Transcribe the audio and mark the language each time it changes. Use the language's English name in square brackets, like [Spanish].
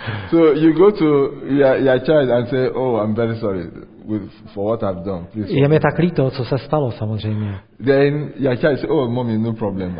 [English] So you go to your child and say, oh, I'm very sorry for what I've done. Please. [Czech] Je mi tak líto, co se stalo, samozřejmě. [English] Then your child says, oh, mommy, no problem.